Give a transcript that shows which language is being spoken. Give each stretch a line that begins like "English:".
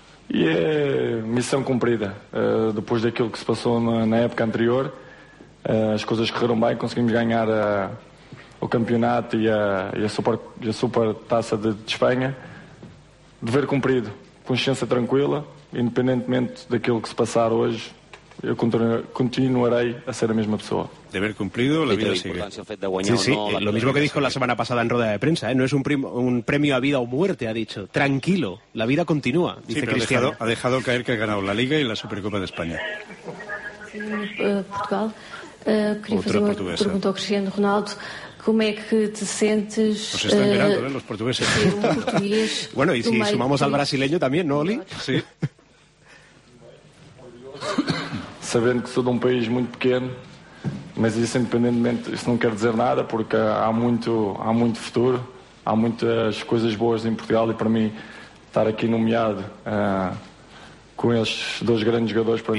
Portuguese: E é missão cumprida. Depois daquilo que se passou na época anterior, as coisas correram bem, conseguimos ganhar o campeonato e a super taça de Espanha. Dever cumprido, consciência tranquila, independentemente daquilo que se passar hoje, eu continuarei a ser a mesma pessoa.
Spanish: Deber cumplido, la vida sigue. Sí, sí, lo mismo que dijo la semana pasada en rueda de prensa, ¿eh? No es un premio a vida o muerte, ha dicho. Tranquilo, la vida continúa, dice sí, Cristiano. Ha dejado caer que ha ganado la Liga y la Supercopa de España. Portugal. Quería hacer una pregunta a Cristiano Ronaldo. ¿Cómo es que te sientes? Pues están mirando, ¿eh? Los portugueses. Sí, portugués, bueno, y si sumamos al brasileño también, ¿no, Oli? Sí.
Portuguese: Sabendo que sou de um país muito pequeno, mas isso independentemente, isso não quer dizer nada, porque há muito futuro, há muitas coisas boas em Portugal, e para mim estar aqui nomeado com estes dois grandes jogadores, para